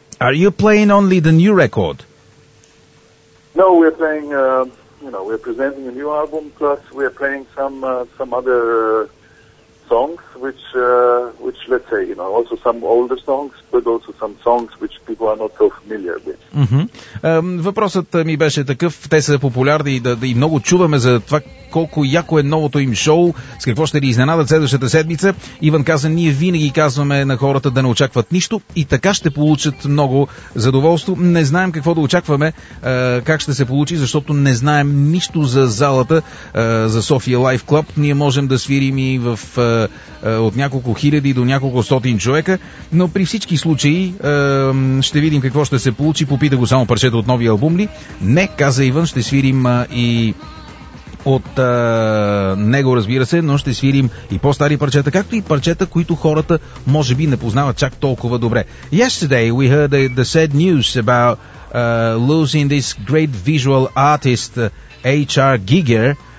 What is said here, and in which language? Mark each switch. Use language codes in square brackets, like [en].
[en] Are you playing only the new record? No, we're playing. We're presenting a new album, plus we're playing some other songs, which let's say, you know, also some older songs, but also some songs which people are not so familiar with. Mm-hmm. [bg] Въпросът ми беше такъв, те са популярни и много чуваме за това колко яко е новото им шоу, с какво ще ни изненадат следващата седмица. Иван каза, ние винаги казваме на хората да не очакват нищо и така ще получат много задоволство. Не знаем какво да очакваме, как ще се получи, защото не знаем нищо за залата, за София Лайф Клуб. Ние можем да свирим и в от няколко хиляди до няколко стотин човека, но при всички случаи ще видим какво ще се получи. Попита го само парчето от новия албум ли? Не, каза Иван, ще свирим и от него, разбира се, но ще свирим и по-стари парчета, както и парчета, които хората може би не познават чак толкова добре. [en] Yesterday we heard the sad news about losing this great visual artist H.R. Giger.